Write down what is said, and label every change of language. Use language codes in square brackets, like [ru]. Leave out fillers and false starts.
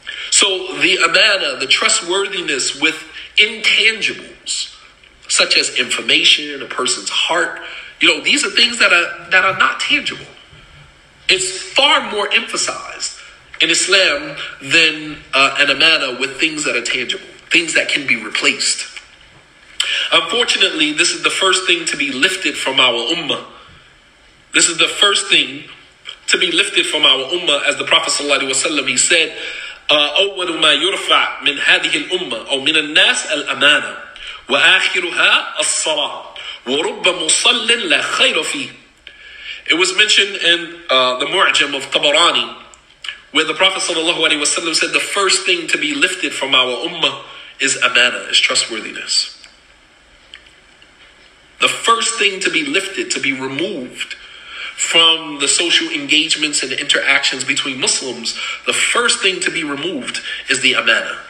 [en] So the amana, the trustworthiness with intangibles, such as information, a person's heart, you know, these are things that are not tangible. It's far more emphasized in Islam than an amana with things that are tangible, things that can be replaced. Unfortunately, this is the first thing to be lifted from our ummah. This is the first thing to be lifted from our ummah, as the Prophet sallallahu alaihi wasallam, he said, [ar] أول ما يرفع من هذه الأمة أو من الناس الأمانة وآخرها الصلاة ورب مصل لا خير فيه. [en] It was mentioned in the Mu'jam of Tabarani, where the Prophet sallallahu alaihi wasallam said, the first thing to be lifted from our ummah is amana, is trustworthiness. The first thing to be lifted, to be removed from the social engagements and interactions between Muslims, the first thing to be removed is the amana.